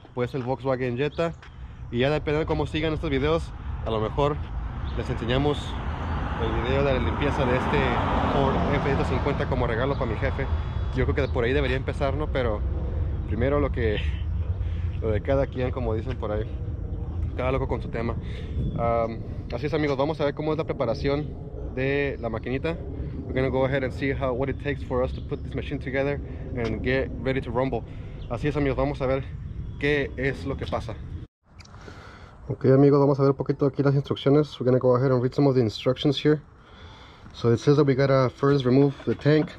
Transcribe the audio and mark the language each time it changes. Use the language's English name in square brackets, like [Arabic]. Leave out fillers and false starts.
[Spanish] Puede ser el Volkswagen Jetta. Y ya dependiendo de cómo sigan estos videos, a lo mejor les enseñamos el video de la limpieza de este Ford F-150 como regalo para mi jefe. Yo creo que por ahí debería empezar, ¿no? Pero primero lo de cada quien, como dicen por ahí. Cada loco con su tema. Así es, amigos, vamos a ver cómo es la preparación de la maquinita. [English] We're gonna go ahead and see what it takes for us to put this machine together and get ready to rumble. [Spanish] Así es, amigos, vamos a ver qué es lo que pasa. Ok, amigos, vamos a ver un poquito aquí las instrucciones. [English] We're gonna go ahead and read some of the instructions here. So it says that we gotta first remove the tank.